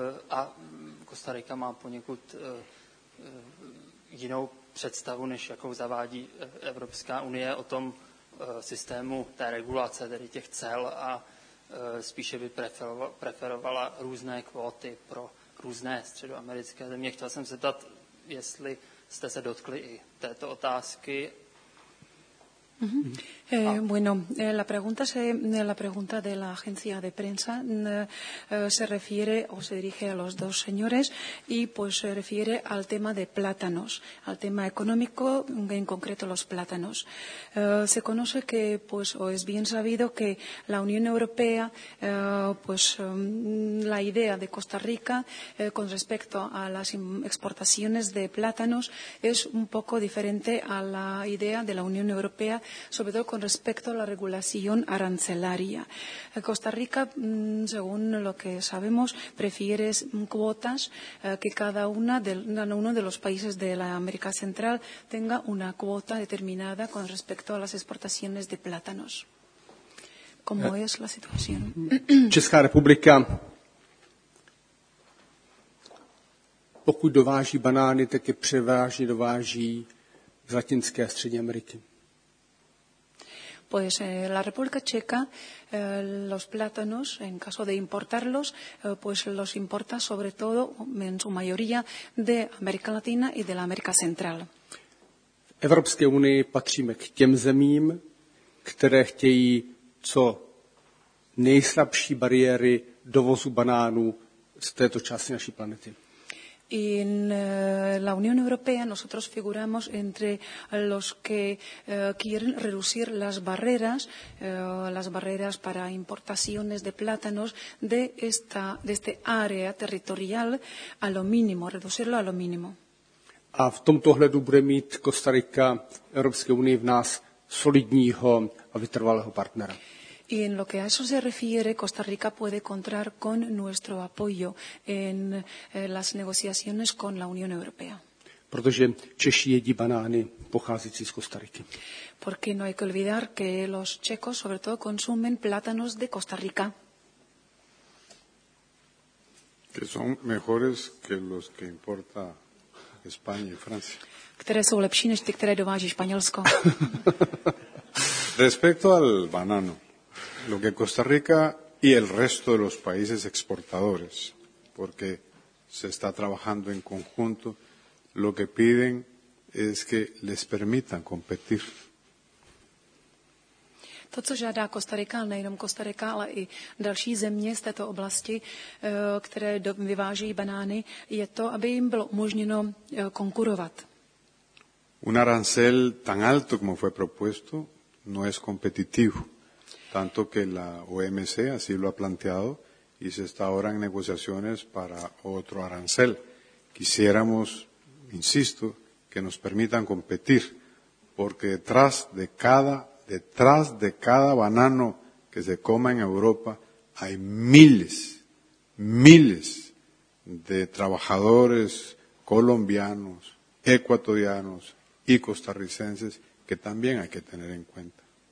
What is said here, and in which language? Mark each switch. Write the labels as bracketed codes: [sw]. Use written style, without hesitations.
[cs] A Kostarika má poněkud jinou představu, než jakou zavádí Evropská unie o tom systému té regulace, tedy těch cel, a spíše by preferovala různé kvóty pro různé středoamerické země. Chtěl jsem se zeptat, jestli jste se dotkli i této otázky. [es] Bueno, la pregunta se la pregunta de la agencia de prensa se refiere o se dirige a los dos señores y pues se refiere al tema de plátanos, al tema económico, en concreto los plátanos. Se conoce que pues o es bien sabido que la Unión Europea pues la idea de Costa Rica con respecto a las exportaciones de plátanos es un poco diferente a la idea de la Unión Europea sobre todo con respecto a la regulación arancelaria. Costa Rica, según lo que sabemos, prefiere cuotas que cada una de, uno de los países de la América Central tenga una cuota determinada con respecto a las exportaciones de plátanos. ¿Cómo es la situación? [cs] Česká republika, pokud dováží banány, tak je převážně dováží z Latinské a Střední Ameriky. [es] Pues la República Checa, los plátanos, en caso de importarlos, pues los importa sobre todo, en su mayoría, de América Latina y de la América Central. [cs] V Evropské unii patříme k těm zemím, které chtějí co nejslabší bariéry dovozu banánů z této části naší planety. [es] Y en la Unión Europea nosotros figuramos entre los que quieren reducir las barreras para importaciones de plátanos de esta de este área territorial a lo mínimo, reducirlo a lo mínimo. [cs] A v tomto ohledu bude mít Costa Rica Evropské unii v nás solidního a vytrvalého partnera. [es] Y en lo que a eso se refiere, Costa Rica puede contar con nuestro apoyo en las negociaciones con la Unión Europea. [cs] Protože Češi jedí banány pocházející z Kostariky. [es] Porque no hay que olvidar que los checos sobre todo consumen plátanos de Costa Rica. Que son mejores que los que importa España y Francia. [cs] Které jsou lepší než ty, které dováží Španělsko. [es] Respecto al banano. Lo que Costa Rica y el resto de los países exportadores, porque se está trabajando en conjunto, lo que piden es que les permitan competir. [cs] To, co žádá Costa Rica, nejenom Costa Rica, ale i další země z této oblasti, které vyvážejí banány, je to, aby jim bylo umožněno konkurovat. [es] Un arancel tan alto como fue propuesto no es competitivo. Tanto que la OMC así lo ha planteado y se está ahora en negociaciones para otro arancel. Quisiéramos, insisto, que nos permitan competir, porque detrás de cada banano que se coma en Europa hay miles, miles de trabajadores colombianos, ecuatorianos y costarricenses que también hay que tener en cuenta.